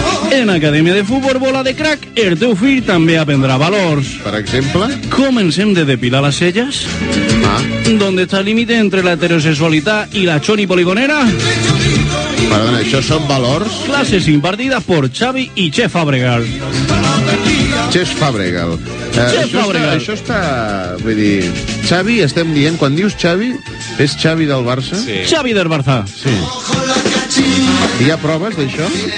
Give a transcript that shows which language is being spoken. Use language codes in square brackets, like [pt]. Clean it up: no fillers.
[ca] En Acadèmia de Futbol Bola de Crac, el teu fill també aprendrà valors. Per exemple? Comencem de depilar les celles. Ah. [es] ¿Dónde está el límite entre la heterosexualidad y la choni poligonera? [ca] Perdona, ¿això són valors? [es] Clases impartidas por Xavi i Xesc Fàbregas. [ca] Xesc Fàbregas. Això està, vull dir... Xavi, estem dient, quan dius Xavi, és Xavi del Barça? Sí. Xavi del Barça. Sí. Hi ha proves d'això?